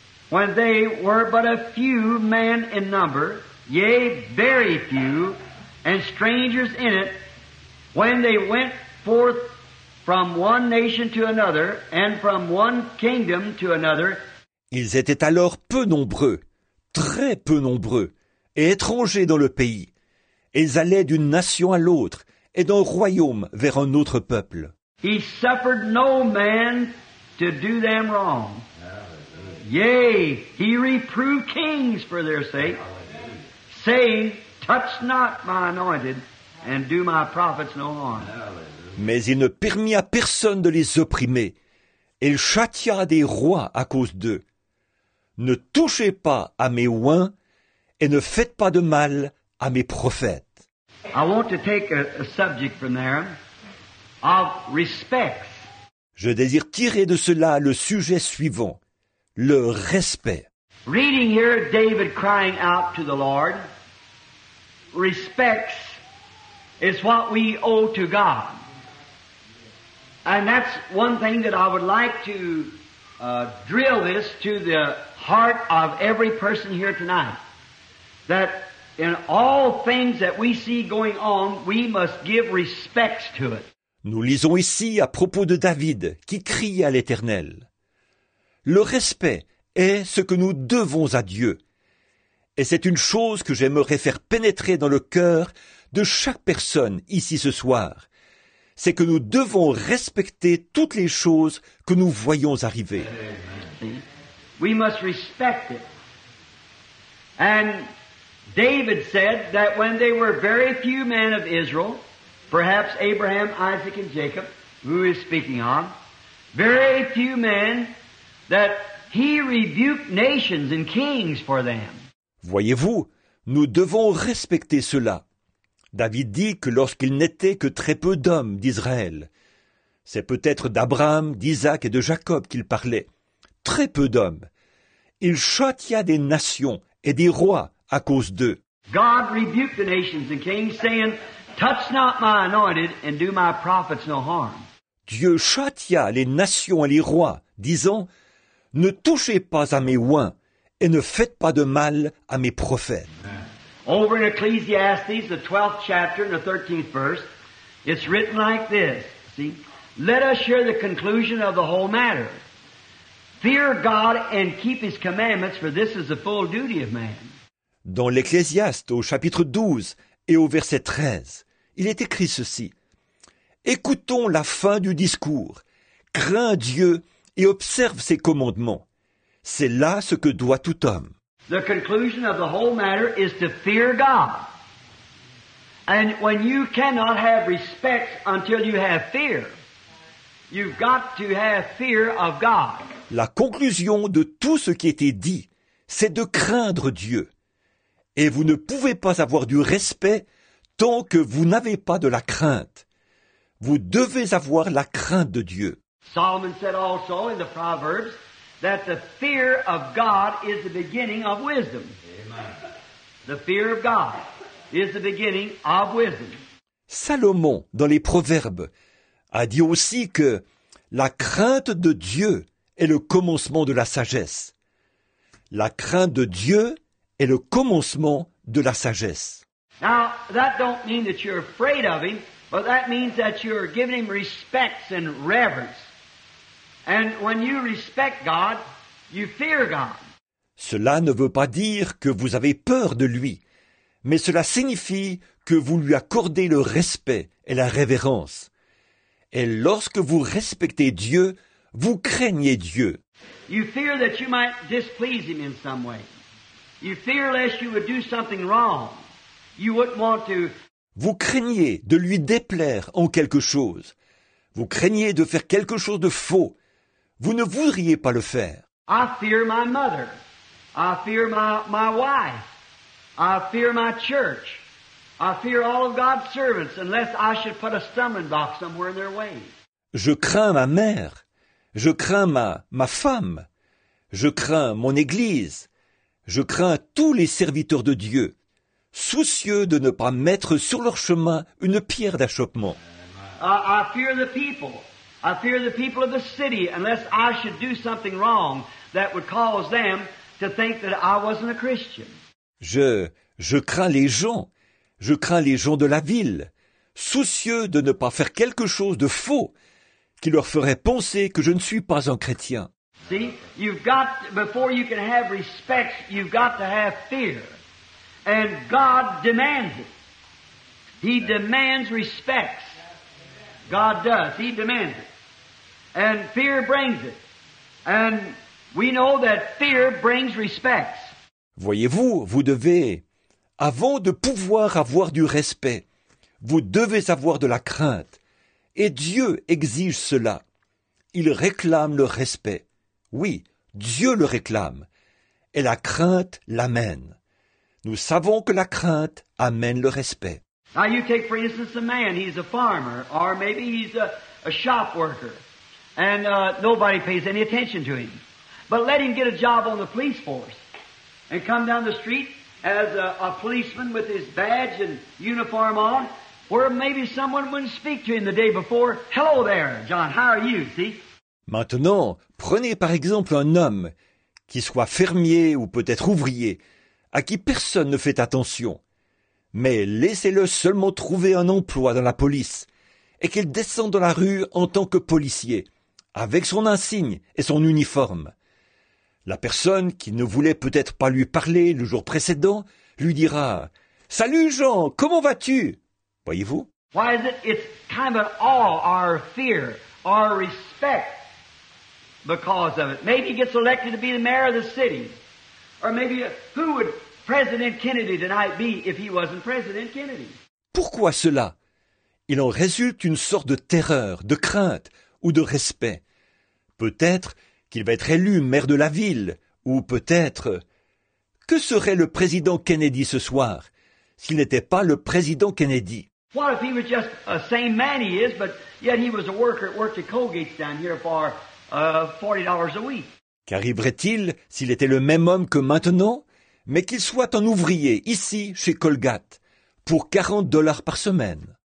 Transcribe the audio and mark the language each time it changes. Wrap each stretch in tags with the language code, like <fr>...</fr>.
<en>When they were but a few men in number, yea, very few, and strangers in it, when they went forth from one nation to another, and from one kingdom to another.</en> <fr>Ils étaient alors peu nombreux, très peu nombreux et étrangers dans le pays. Ils allaient d'une nation à l'autre et d'un royaume vers un autre peuple.</fr> <en>He suffered no man to do them wrong. Yea, he reproved kings for their sake, saying, touch not my anointed, and do my prophets no harm.</en> <fr>Mais il ne permit à personne de les opprimer. Il châtia des rois à cause d'eux. Ne touchez pas à mes oints, et ne faites pas de mal à mes prophètes.</fr> <en>I want to take a subject from there of respect.</en> <fr>Je désire tirer de cela le sujet suivant. Le respect.</fr> <en>Reading here, David crying out to the Lord. Respect is what we owe to God. And that's one thing that I would like to drill this to the heart of every person here tonight. That in all things that we see going on, we must give respect to it.</en> <fr>Nous lisons ici à propos de David qui crie à l'Éternel. Le respect est ce que nous devons à Dieu. Et c'est une chose que j'aimerais faire pénétrer dans le cœur de chaque personne ici ce soir. C'est que nous devons respecter toutes les choses que nous voyons arriver.</fr> <en>We must respect it. And David said that when there were very few men of Israel, perhaps Abraham, Isaac and Jacob, who is speaking on, very few men, that he rebuked nations and kings for them.</en> <fr>Voyez-vous, nous devons respecter cela. David dit que lorsqu'il n'était que très peu d'hommes d'Israël, c'est peut-être d'Abraham, d'Isaac et de Jacob qu'il parlait, très peu d'hommes, il châtia des nations et des rois à cause d'eux.</fr> <en>God rebuked the nations and kings, saying, touch not my anointed and do my prophets no harm.</en> <fr>Dieu châtia les nations et les rois, disant, ne touchez pas à mes oints et ne faites pas de mal à mes prophètes.</fr> <en>Over in Ecclesiastes, the 12th chapter and the 13th verse, it's written like this, see? Let us hear the conclusion of the whole matter. Fear God and keep his commandments, for this is the full duty of man.</en> <fr>Dans l'Ecclésiaste, au chapitre 12 et au verset 13, il est écrit ceci. Écoutons la fin du discours. Crains Dieu et observe ses commandements. C'est là ce que doit tout homme.</fr> <en>The conclusion of the whole matter is to fear God. And when you cannot have respect until you have fear, you've got to have fear of God.</en> <fr>La conclusion de tout ce qui était dit, c'est de craindre Dieu. Et vous ne pouvez pas avoir du respect tant que vous n'avez pas de la crainte. Vous devez avoir la crainte de Dieu.</fr> <en>Solomon said also in the Proverbs that the fear of God is the beginning of wisdom. Amen. The fear of God is the beginning of wisdom.</en> <fr>Salomon, dans les Proverbes, a dit aussi que la crainte de Dieu est le commencement de la sagesse. La crainte de Dieu est le commencement de la sagesse.</fr> <en>Now, that don't mean that you're afraid of him, but that means that you're giving him respects and reverence. And when you respect God, you fear God.</en> <fr>Cela ne veut pas dire que vous avez peur de lui, mais cela signifie que vous lui accordez le respect et la révérence. Et lorsque vous respectez Dieu, vous craignez Dieu.</fr> <en>You fear that you might displease him in some way. You fear lest you would do something wrong. You wouldn't want to.</en> <fr>Vous craignez de lui déplaire en quelque chose. Vous craignez de faire quelque chose de faux. Vous ne voudriez pas le faire.</fr> <en>I fear my mother. I fear my wife. I fear my church. I fear all of God's servants unless I should put a stumbling block somewhere in their way.</en> <fr>Je crains ma mère. Je crains ma femme. Je crains mon église. Je crains tous les serviteurs de Dieu, soucieux de ne pas mettre sur leur chemin une pierre d'achoppement.</fr> <en>I fear the people. I fear the people of the city, unless I should do something wrong that would cause them to think that I wasn't a Christian.</en> <fr>Je crains les gens. Je crains les gens de la ville, soucieux de ne pas faire quelque chose de faux qui leur ferait penser que je ne suis pas un chrétien.</fr> <en>See, you've got, before you can have respect, you've got to have fear. And God demands it. He demands respect. God does. He demands it. And fear brings it. And we know that fear brings respect.</en> <fr>Voyez-vous, vous devez, avant de pouvoir avoir du respect, vous devez avoir de la crainte. Et Dieu exige cela. Il réclame le respect. Oui, Dieu le réclame. Et la crainte l'amène. Nous savons que la crainte amène le respect.</fr> <en>Now you take, for instance, a man. He's a farmer, or maybe he's a shop worker. And nobody pays any attention to him. But let him get a job on the police force. And come down the street as a policeman with his badge and uniform on, where maybe someone wouldn't speak to him the day before. Hello there, John, how are you? See?</en> <fr>Maintenant, prenez par exemple un homme, qui soit fermier ou peut-être ouvrier, à qui personne ne fait attention. Mais laissez-le seulement trouver un emploi dans la police et qu'il descende dans la rue en tant que policier, avec son insigne et son uniforme. La personne qui ne voulait peut-être pas lui parler le jour précédent lui dira « Salut Jean, comment vas-tu » Voyez-vous ?</fr> <en>Why is it? It's kind of an awe, our fear, our respect because of it. Maybe he gets elected to be the mayor of the city. Or maybe who would President Kennedy tonight be if he wasn't President Kennedy?</en> <fr>Pourquoi cela ? Il en résulte une sorte de terreur, de crainte ou de respect. Peut-être qu'il va être élu maire de la ville, ou peut-être... Que serait le président Kennedy ce soir, s'il n'était pas le président Kennedy?</fr> <en>What if he was just the same man he is, but yet he was a worker, worked at Colgate's down here for $40 a week?</en> <fr>Qu'arriverait-il s'il était le même homme que maintenant, mais qu'il soit un ouvrier, ici, chez Colgate, pour $40 par semaine?</fr>